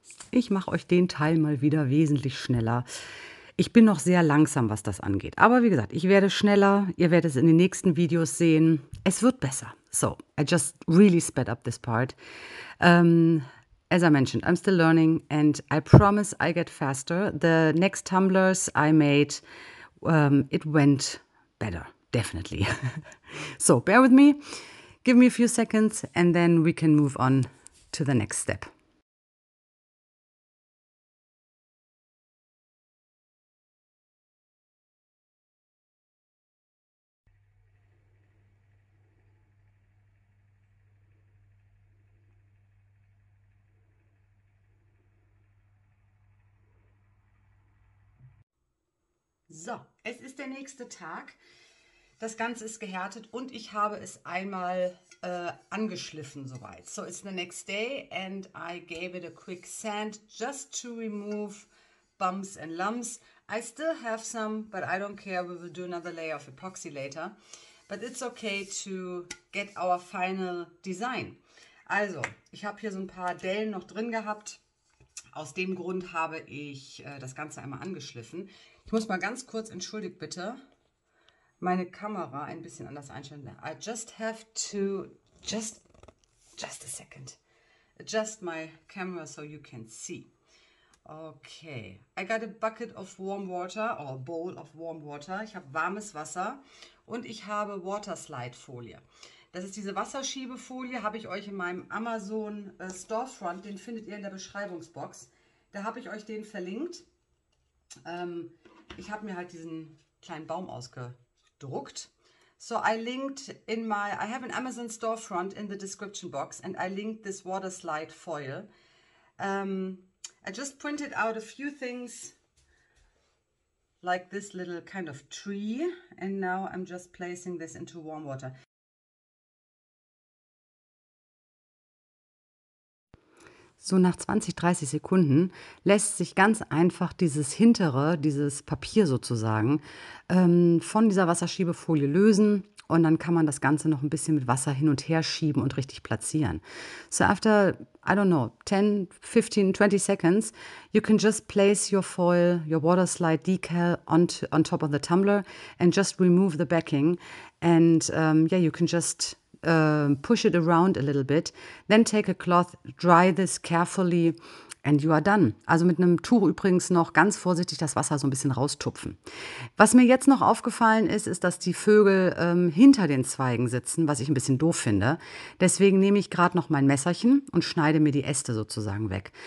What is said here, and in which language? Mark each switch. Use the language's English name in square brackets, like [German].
[German] Ich mache euch den Teil mal wieder wesentlich schneller. Ich bin noch sehr langsam, was das angeht. Aber wie gesagt, ich werde schneller. Ihr werdet es in den nächsten Videos sehen. Es wird besser. [English] So, I just really sped up this part. As I mentioned, I'm still learning and I promise I get faster. The next tumblers I made, it went better, definitely. So, bear with me. Give me a few seconds and then we can move on to the next step. [German] So, es ist der nächste Tag. Das Ganze ist gehärtet und ich habe es einmal angeschliffen soweit. [English] So, it's the next day and I gave it a quick sand just to remove bumps and lumps. I still have some, but I don't care. We will do another layer of epoxy later. But it's okay to get our final design. [German] Also, ich habe hier so ein paar Dellen noch drin gehabt. Aus dem Grund habe ich das Ganze einmal angeschliffen. Ich muss mal ganz kurz, entschuldigt bitte, meine Kamera ein bisschen anders einstellen. [English] I just have to, just a second, adjust my camera so you can see. Okay, I got a bucket of warm water or a bowl of warm water. [German] Ich habe warmes Wasser und ich habe Water Slide Folie. Das ist diese Wasserschiebefolie, habe ich euch in meinem Amazon Storefront, den findet ihr in der Beschreibungsbox. Da habe ich euch den verlinkt. Ich habe mir halt diesen kleinen Baum ausgedruckt. [English] So I linked in my, I have an Amazon storefront in the description box and I linked this water slide foil. I just printed out a few things like this little kind of tree and now I'm just placing this into warm water. [German] So nach 20, 30 Sekunden lässt sich ganz einfach dieses hintere, dieses Papier sozusagen, von dieser Wasserschiebefolie lösen und dann kann man das Ganze noch ein bisschen mit Wasser hin und her schieben und richtig platzieren. [English] So after, I don't know, 10, 15, 20 seconds, you can just place your foil, your water slide decal on top of the tumbler and just remove the backing and yeah, you can just push it around a little bit. Then take a cloth, dry this carefully and you are done. [German] Also mit einem Tuch übrigens noch ganz vorsichtig das Wasser so ein bisschen raustupfen. Was mir jetzt noch aufgefallen ist, ist, dass die Vögel hinter den Zweigen sitzen, was ich ein bisschen doof finde. Deswegen nehme ich gerade noch mein Messerchen und schneide mir die Äste sozusagen weg.